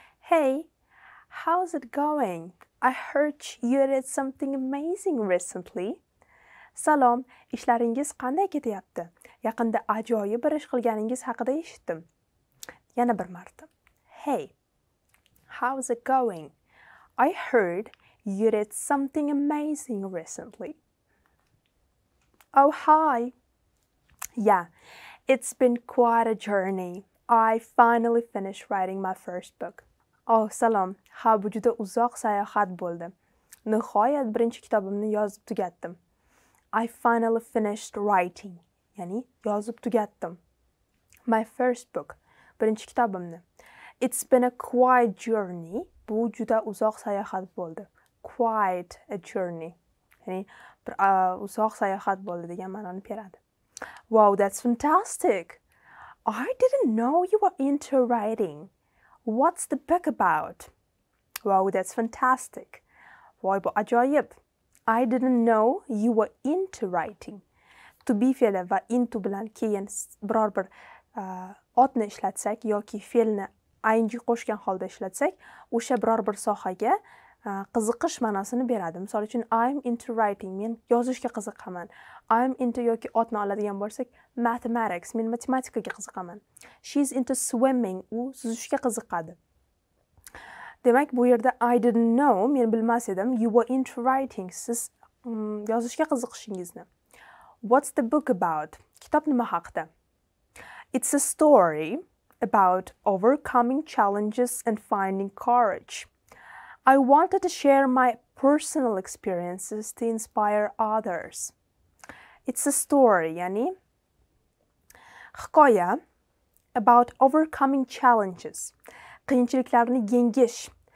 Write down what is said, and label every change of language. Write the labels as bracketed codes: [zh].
[en] Hey, how's it going? I heard you did something amazing recently. [uz] Salom, ishlaringiz qanday ketyapti? Yaqinda ajoyib bir ish qilganingiz haqida eshitdim. Yana bir marta. [en] Hey, how's it going? I heard you did something amazing recently. Oh, hi. Yeah, it's been quite a journey. I finally finished writing my first book. [uz] Oh, salom. Ha, bu juda uzoq sayohat bo'ldi. Nihoyat birinchi kitobimni yozib tugatdim. [en] I finally finished writing. [uz] Ya'ni yozib tugatdim. [en] My first book. [uz] Birinchi kitobimni. [en] It's been a quiet journey. [uz] Bu juda uzoq sayohat bo'ldi. [en] Quite a journey. [uz] Ya'ni bir uzoq sayohat bo'ldi degan ma'noni beradi. [en] Wow, that's fantastic. I didn't know you were into writing. What's the book about? Wow, that's fantastic. [uz] Voy bu ajoyib. [en] I didn't know you were into writing. [uz] To be fe'li va into bilan keyin biror bir otni ishlatsak yoki fe'lni ing qo'shgan holda ishlatsak, o'sha biror bir sohaga qiziqish ma'nosini beradi. Misol uchun [en] I'm into writing. [uz] Men yozishga qiziqaman. [en] I'm into [uz] yoki otni oladigan bo'lsak, mathematics. Men matematikaga qiziqaman. [en] She's into swimming. [uz] U suzishga qiziqadi. Demak, bu yerda [en] I didn't know. [uz] Men bilmas edim. [en] You were into writing. [uz] Siz yozishga qiziqishingizni. [en] What's the book about? [uz] Kitob nima haqida? [en] It's a story about overcoming challenges and finding courage. I wanted to share my personal experiences to inspire others. It's a story, [uz] yani hikoya, [en] about overcoming challenges, [uz] qiyinchiliklarni yengish,